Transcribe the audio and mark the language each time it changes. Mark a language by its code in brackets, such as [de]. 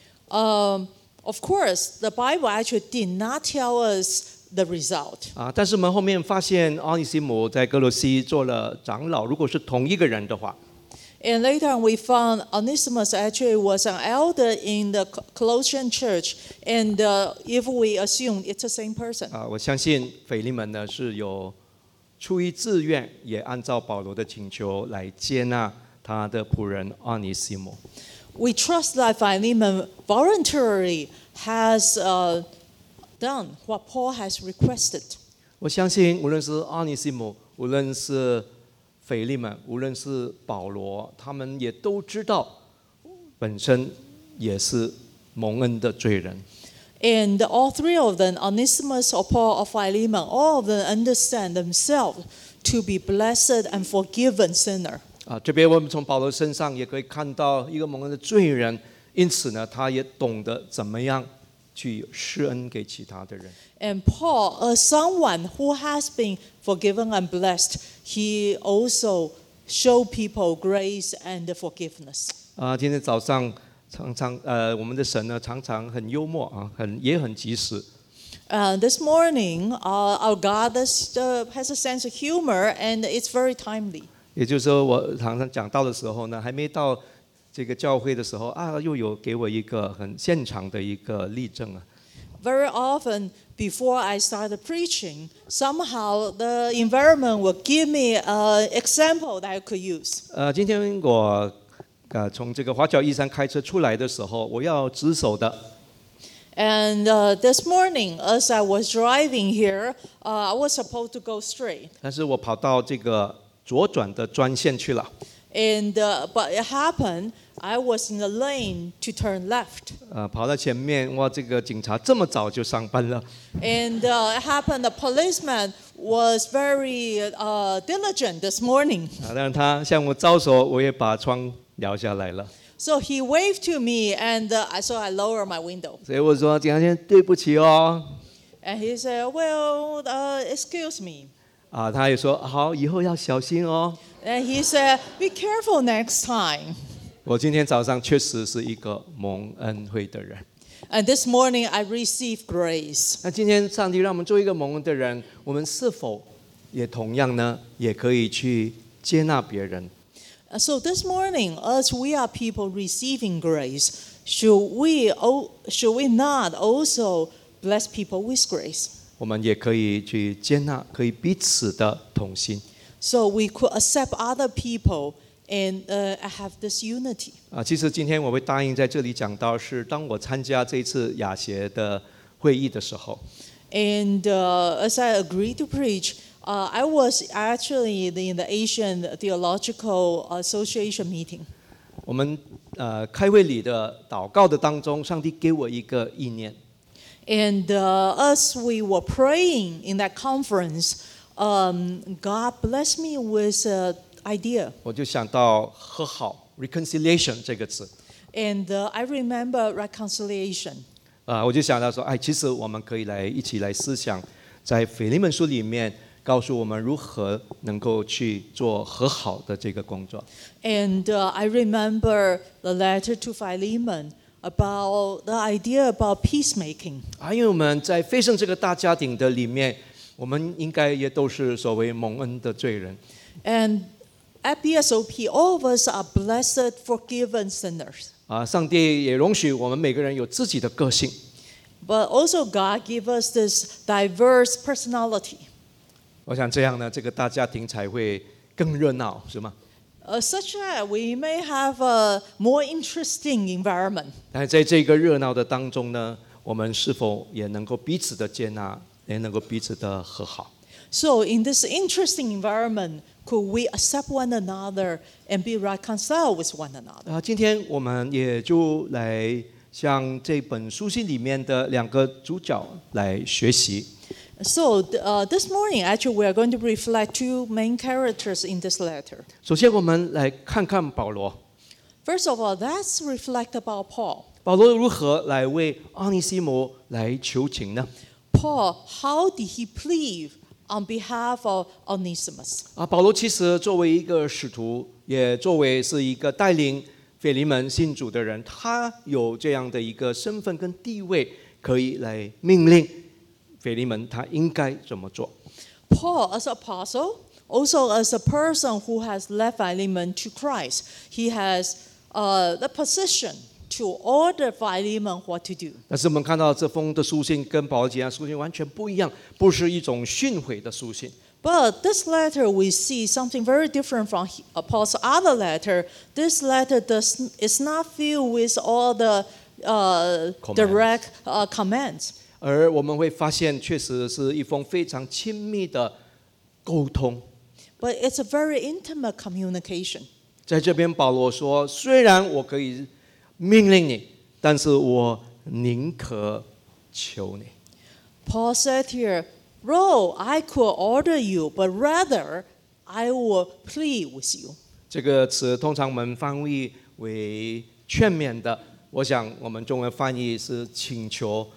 [en] Of course, the Bible actually did not tell us the result. [zh] 但是我们后面发现奥尼西姆在哥罗西做了长老，如果是同一个人的话。 [en] And later on, we found Onesimus actually was an elder in the Colossian church. And if we assume it's the same person. [zh] 我相信腓利门呢是有出于自愿，也按照保罗的请求来接纳他的仆人奥尼西姆。 [en] We trust that Philemon voluntarily has done what Paul has requested. [zh] 我相信无论是奥尼西姆，无论是腓利门，无论是保罗，他们也都知道本身也是蒙恩的罪人。 [en] And all three of them, Onesimus, or Paul, or Philemon, all of them understand themselves to be blessed and forgiven sinner. [zh] 这边我们从保罗身上也可以看到一个蒙恩的罪人，因此呢，他也懂得怎么样去施恩给其他的人。 [en] And Paul, as someone who has been forgiven and blessed, he also showed people grace and forgiveness. [zh] 今天早上常常我们的神呢常常很幽默啊，也很及时。 [en] This morning, our God has a sense of humor and it's very timely. [zh] 也就是说，我常常讲到的时候呢，还没到这个教会的时候啊，又有给我一个很现场的一个例证啊。 [en] Very often, before I started preaching, somehow the environment will give me an example that I could use. [zh] 今天我从这个华侨一山开车出来的时候，我要值守的。 [en] And this morning, as I was driving here, I was supposed to go straight. [zh] 但是我跑到这个左转的专线去了。 [en] And but it happened, I was in the lane to turn left. [zh] 跑到前面，哇，这个警察这么早就上班了。 [en] And it happened, the policeman was very diligent this morning. [zh] 但他向我招手，我也把窗摇下来了。 [en] So he waved to me, and so I lowered my window. [zh] 所以我说，警察先生，对不起哦。 [en] And he said, well, excuse me. [zh] 他也说，好，以后要小心哦。 [en] And he said, be careful next time. [zh] 我今天早上确实是一个蒙恩惠的人。 [en] And this morning I received grace. [zh] 那今天上帝让我们做一个蒙恩的人，我们是否也同样呢，也可以去接纳别人？ [en] So this morning, as we are people receiving grace, should we not also bless people with grace? [zh] 我们也可以去接纳，可以彼此的同心。 [en] So we could accept other people And I have this unity. [zh] 其实今天我会答应在这里讲到是当我参加这次亚协的会议的时候。 [en] And as I agreed to preach, I was actually in the Asian Theological Association meeting. [zh] 我们开会里的祷告的当中，上帝给我一个意念。 [en] And as we were praying in that conference, God blessed me with an idea. [zh] 我就想到和好 reconciliation 这个词。 [en] And I remember reconciliation. [zh] 我就想到说，哎，其实我们可以来一起来思想，在腓立门书里面告诉我们如何能够去做和好的这个工作。 [en] And I remember the letter to Philemon. About the idea about peacemaking. [zh] 因为我们在腓圣这个大家庭的里面，我们应该也都是所谓蒙恩的罪人。 [en] And at BSOP, all of us are blessed, forgiven sinners. [zh] 上帝也容许我们每个人有自己的个性。 [en] But also God gives us this diverse personality. [zh] 我想这样呢，这个大家庭才会更热闹，是吗？ [en] Such that we may have a more interesting environment. [zh] 但在这个热闹的当中呢，我们是否也能够彼此的接纳，也能够彼此的和好 [en] ？So in this interesting environment, could we accept one another and be reconciled with one another? [zh] 今天我们也就来向这本书信里面的两个主角来学习。 [en] So, this morning, actually, we are going to reflect two main characters in this letter. [zh] 首先，我们来看看保罗。 [en] First of all, let's reflect about Paul. [zh] 保罗如何来为奥尼西摩来求情呢 [en] ？Paul, how did he plead on behalf of Onesimus? [zh] 保罗其实作为一个使徒，也作为是一个带领腓立门信主的人，他有这样的一个身份跟地位，可以来命令。腓立门他应该怎么做 [en] ？Paul as apostle, also as a person who has led Philemon to Christ, he has the position to order Philemon what to do. [zh] 但是我们看到这封的书信跟保罗其他书信完全不一样，不是一种训诲的书信。 [en] But this letter we see something very different from Paul's other letter. This letter is not filled with all the direct commands. [zh] 而我们会发现，确实是一封非常亲密的沟通。 [en] But it's a very intimate communication. [zh] 在这边，保罗说：“虽然我可以命令你，但是我宁可求你。” [en] Paul said here, "Though I could order you, but rather I will plead with you." [zh] 这个词通常我们翻译为劝勉的，我想我们中文翻译是请求。